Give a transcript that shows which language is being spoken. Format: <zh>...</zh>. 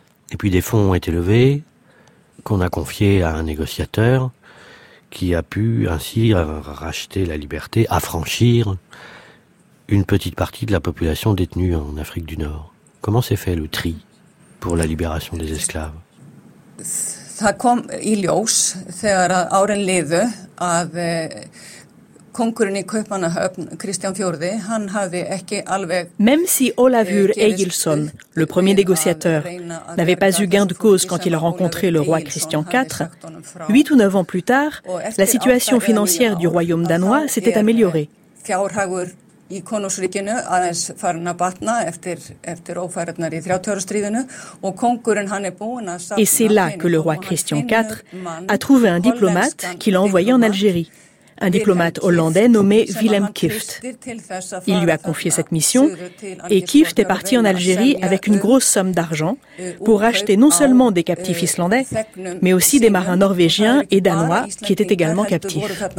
<fr>Et puis des fonds ont été levés, qu'on a confiés à un négociateur, qui a pu ainsi racheter la liberté, affranchir une petite partie de la population détenue en Afrique du Nord. Comment s'est fait le tri pour la libération des esclaves?</fr> <is>Það kom í ljós þegar að árin liðu að kongurinn í Kaupmannahöfn Kristján IV hann hafði ekki alveg.</is> <fr>Même si Olafur Egilsson, le premier négociateur, n'avait pas eu gain de cause quand il a rencontré le roi Christian IV, 8 ou 9 ans plus tard, la situation financière du royaume danois s'était améliorée.</fr> <is>Fjárhagur í konungsríkinu aðeins farin að batna eftir ófærarnar í 30-stríðinu og kongurinn hann búinn að safna.</is> <fr>Et c'est là que le roi Christian IV a trouvé un diplomate qu'il a envoyé en Algérie, un diplomate hollandais nommé Willem Kieft. Il lui a confié cette mission et Kieft est parti en Algérie avec une grosse somme d'argent pour racheter non seulement des captifs islandais, mais aussi des marins norvégiens et danois qui étaient également captifs.</fr>